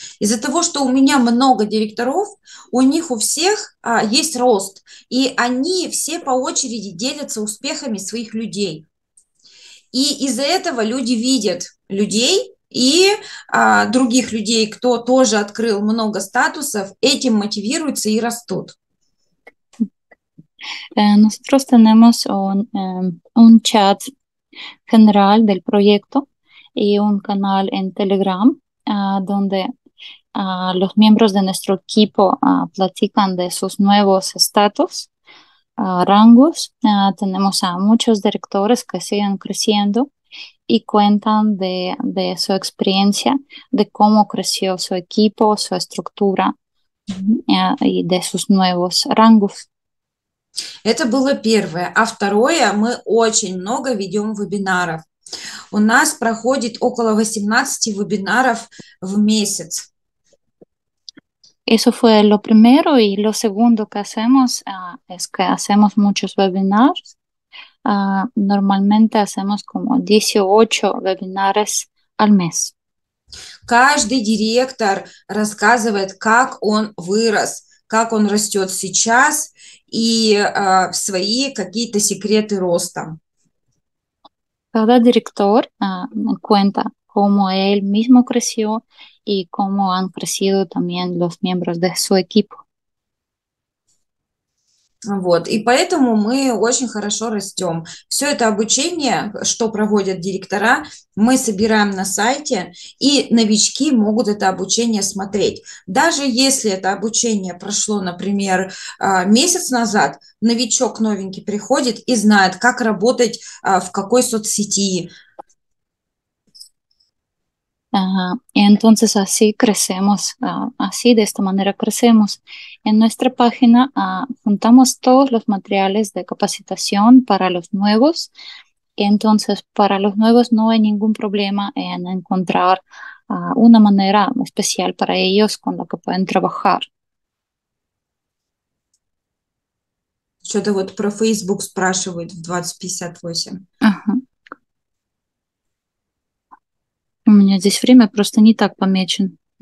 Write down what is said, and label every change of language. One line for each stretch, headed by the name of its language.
Russian: Из-за того, что у меня много директоров, у них у всех есть рост. И они все по очереди делятся успехами своих людей. И из-за этого люди видят людей и других людей, кто тоже открыл много статусов, этим мотивируются и растут.
Spanish: Nosotros tenemos un chat general del proyecto y un canal en Telegram donde los miembros de nuestro equipo platican de sus nuevos estatus, rangos. Tenemos a muchos directores que siguen creciendo y cuentan de su experiencia, de cómo creció su equipo, su estructura y de sus nuevos rangos.
Russian: Это было первое. А второе, мы очень много ведем вебинаров. У нас проходит около 18 вебинаров в месяц.
Spanish: Eso fue lo primero y lo segundo que hacemos es que hacemos muchos webinars. Normalmente hacemos como 18 webinars al mes.
Russian: Каждый директор рассказывает, как он вырос, как он растет сейчас и свои какие-то секреты роста.
Spanish: Cada director cuenta cómo él mismo creció y cómo han crecido también los miembros de su equipo.
Russian: Вот, и поэтому мы очень хорошо растем. Все это обучение, что проводят директора, мы собираем на сайте, и новички могут это обучение смотреть. Даже если это обучение прошло, например, месяц назад, новичок новенький приходит и знает, как работать в какой соцсети.
Spanish: Entonces así crecemos, así de esta manera crecemos. En nuestra página juntamos todos los materiales de capacitación para los nuevos. Entonces para los nuevos no hay ningún problema en encontrar una manera especial para ellos con la que pueden trabajar.
Russian: Что-то вот про Facebook спрашивают в 20:58. У меня здесь время просто не так помечен.